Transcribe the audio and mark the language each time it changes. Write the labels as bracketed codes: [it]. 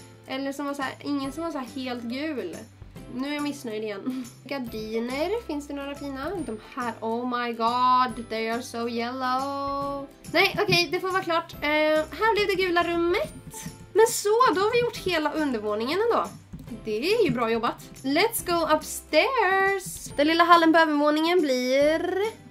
[sv] Eller som var så här, ingen som var så här helt gul. Nu är jag missnöjd igen. Gardiner, finns det några fina? De här, [en] oh my god, they are so yellow. [sv] Nej, okej, okay, det får vara klart. Här blev det gula rummet. Men så, då har vi gjort hela undervåningen ändå. Det är ju bra jobbat. [en] Let's go upstairs. [sv] Den lilla hallen på övervåningen blir...